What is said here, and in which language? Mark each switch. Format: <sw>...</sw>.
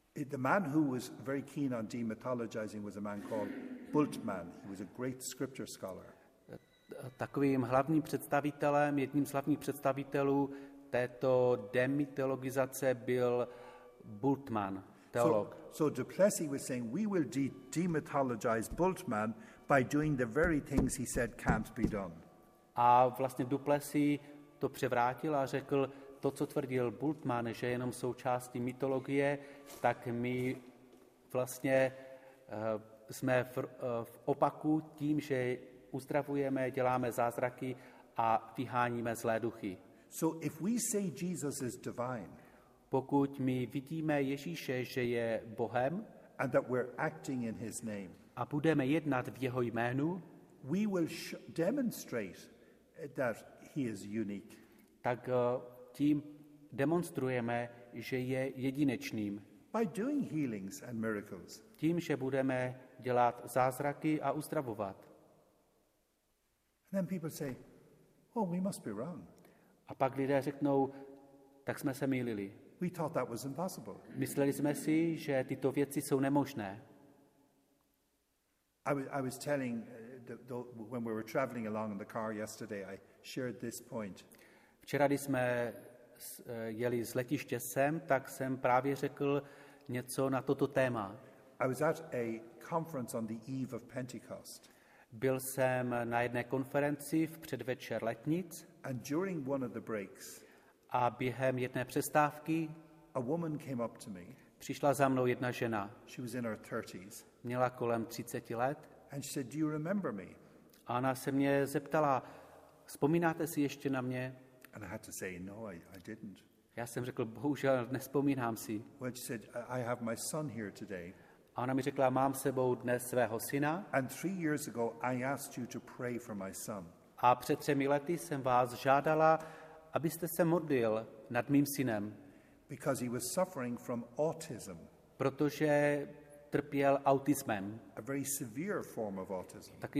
<en>The man who was very keen on demythologizing was a man called Bultmann. He was a great scripture scholar.</en> <cs>Takovým hlavním představitelem, jedním z hlavních představitelů této demytologizace byl Bultmann, teolog.</cs> <en>So Duplessis was saying, "We will demythologize Bultmann by doing the very things he said can't be done."</en> <cs>A vlastně Duplessis to převrátil a řekl, to, co tvrdil Bultmann, že je jenom součástí mytologie, tak my vlastně jsme v opaku tím, že uzdravujeme, děláme zázraky a vyháníme zlé duchy.</cs> <en>So if we say Jesus is divine,</en> <cs>pokud my vidíme Ježíše, že je Bohem,</cs> <en>and that we're acting in his name,</en> <cs>a budeme jednat v jeho jménu,</cs> <en>we will demonstrate that he is unique.</en> <cs>Tak tím demonstrujeme, že je jedinečným.</cs> <en>By doing healings and miracles.</en> <cs>Tím, že budeme dělat zázraky a uzdravovat.</cs> <en>And then people say, "Oh, we must be wrong."</en> <cs>A pak lidé řeknou, tak jsme se mýlili.</cs> <en>We thought that was impossible.</en> <cs>Mysleli jsme si, že tyto věci jsou nemožné.</cs> <en>I was telling when we were traveling along in the car yesterday, I shared this point.</en> <cs>Včera, když jsme jeli z letiště sem, tak jsem právě řekl něco na toto téma.</cs> <en>I was at a conference on the eve of Pentecost.</en> <cs>Byl jsem na jedné konferenci v předvečer letnic.</cs> <en>And during one of the breaks,</en> <cs>a během jedné přestávky</cs> <en>a woman came up to me.</en> <cs>Přišla za mnou jedna žena.</cs> <en>She was in her 30s.</en> <cs>Měla kolem 30 let.</cs> <en>And she said, "Do you remember me?"</en> <cs>A ona se mě zeptala, vzpomínáte si ještě na mě?</cs> <en>And I had to say, "No, I didn't."</en> <cs>Já jsem řekl, bohužel, nespomínám si.</cs> <en>Well, she said, "I have my son here today."</en> <cs>A ona mi řekla, mám s sebou dnes svého syna.</cs> <en>And 3 years ago, I asked you to pray for my son.</en> <cs>A před 3 lety jsem vás žádala, abyste se modlil nad mým synem.</cs> <en>Because he was suffering from autism.</en> <cs>Protože trpěl autismem.</cs> <en>A very severe form of autism.</en>